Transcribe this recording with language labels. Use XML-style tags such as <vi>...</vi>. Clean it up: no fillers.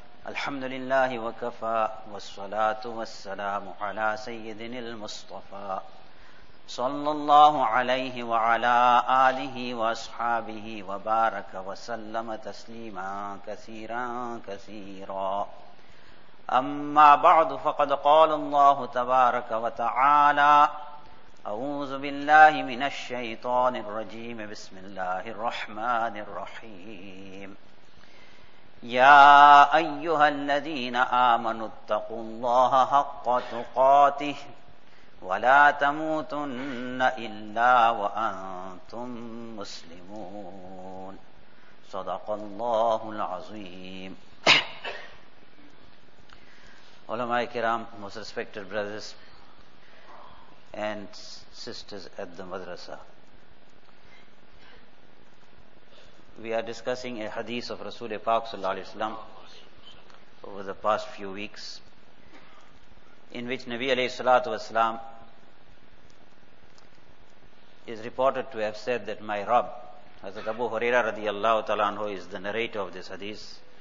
<ar>আলহামদুলিল্লাহ ওয়া কাফা ওয়াসসালাতু ওয়াসসালামু আলা সাইয়্যিদিনিল মুস্তাফা সাল্লাল্লাহু আলাইহি ওয়া আলা আলিহি ওয়া আসহাবিহি ওয়া বারাকা ওয়া সাল্লামা তাসলিমান কাসীরা কাসীরা। أما بعد فقد قال الله تبارك وتعالى أعوذ بالله من الشيطان الرجيم بسم الله الرحمن الرحيم يا أيها الذين آمنوا اتقوا الله حق تقاته ولا تموتن إلا وأنتم مسلمون صدق الله العظيم।</ar> <en>Ulama-e Kiram, most respected brothers and sisters at the madrasa, we are discussing a hadith of Rasul-e Pak sallallahu alaihi wasallam over the past few weeks, in which Nabi alayhi salatu wasalam is reported to have said that my Rabb, Hazrat Abu Huraira radiyallahu ta'ala anhu, is the narrator of this hadith.</en>